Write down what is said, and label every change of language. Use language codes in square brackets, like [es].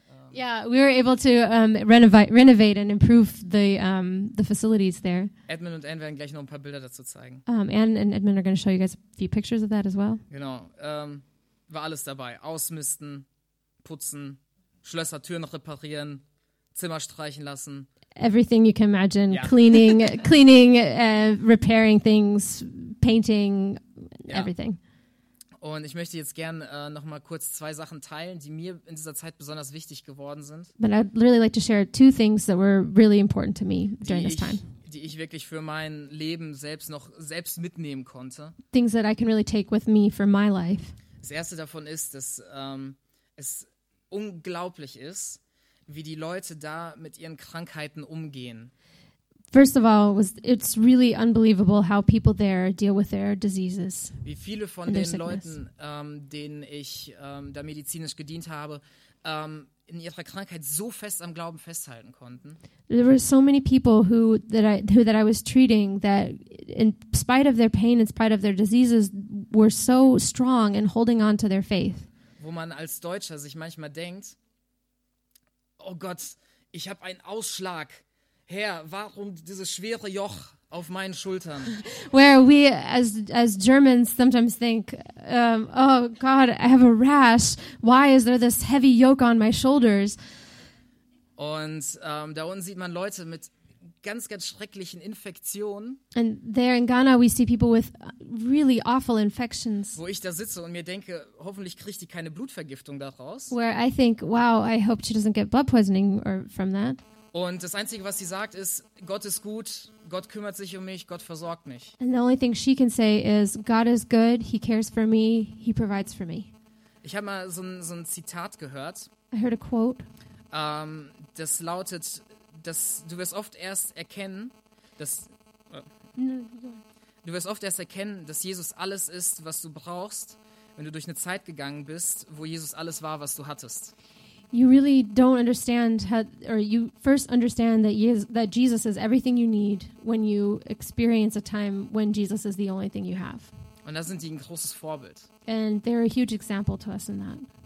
[en] Yeah, we were able to renovate and improve the facilities there. [de] Edmund und Anne werden gleich noch ein paar Bilder dazu zeigen. [en] Anne and Edmund are going to show you guys a few pictures of that as well. [de] Genau, war alles dabei: Ausmisten, putzen, Schlösser, Türen reparieren, Zimmer streichen lassen. [en] Everything you can imagine: yeah. cleaning, repairing things, painting, yeah. Everything. [de] Und ich möchte jetzt gern noch mal kurz zwei Sachen teilen, die mir in dieser Zeit besonders wichtig geworden sind. [en] But I'd really like to share two things that were really important to me during this time. [de] Die ich wirklich für mein Leben selbst noch selbst mitnehmen konnte. [en] Things that I can really take with me for my life. [de] Das erste davon ist, dass es unglaublich ist, wie die Leute da mit ihren Krankheiten umgehen. [en] First of all, it's really unbelievable how people there deal with their diseases. [de] Wie viele von den Leuten, denen ich da medizinisch gedient habe, in ihrer Krankheit so fest am Glauben festhalten konnten. [en] There were so many people who that I was treating that in spite of their pain, in spite of their diseases, were so strong in holding on to their faith. [de] Wo man als Deutscher sich manchmal denkt, oh Gott, ich habe einen Ausschlag. Herr, warum dieses schwere Joch auf meinen Schultern? [en] Where we as Germans sometimes think, oh God, I have a rash. Why is there this heavy yoke on my shoulders? [de] Und da unten sieht man Leute mit ganz, ganz schrecklichen Infektionen. [en] And there in Ghana we see people with really awful infections. [de] Wo ich da sitze und mir denke, hoffentlich kriegt die keine Blutvergiftung daraus. [en] Where I think, wow, I hope she doesn't get blood poisoning or from that. [de] Und das Einzige, was sie sagt, ist, Gott ist gut, Gott kümmert sich um mich, Gott versorgt mich. [en] And the only thing she can say is, God is good, he cares for me, he provides for me. [de] Ich habe mal so ein Zitat gehört. [en] I heard a quote. [de] Das lautet, dass du wirst oft erst erkennen, dass du wirst oft erst erkennen, dass Jesus alles ist, was du brauchst, wenn du durch eine Zeit gegangen bist, wo Jesus alles war, was du hattest. [en] You really don't understand you first understand that Jesus is everything you need when you experience a time when Jesus is the only thing you have. [de] Und da sind die ein großes Vorbild. [en] And they're a huge example to us in that.